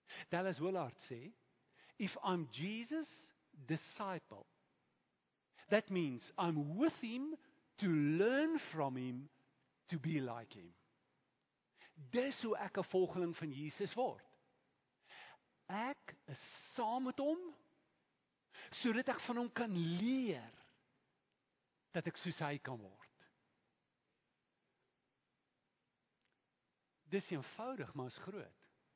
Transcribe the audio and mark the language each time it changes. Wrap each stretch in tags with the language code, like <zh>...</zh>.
<en>Dallas Willard sê, "If I'm Jesus' disciple, that means I'm with him to learn from him to be like him."</en> <af>Dis hoe ek 'n volgeling van Jesus word. Ek is saam met hom, sodat ek van hom kan leer, dat ek soos hy kan word. Dis eenvoudig, maar is groot.</af>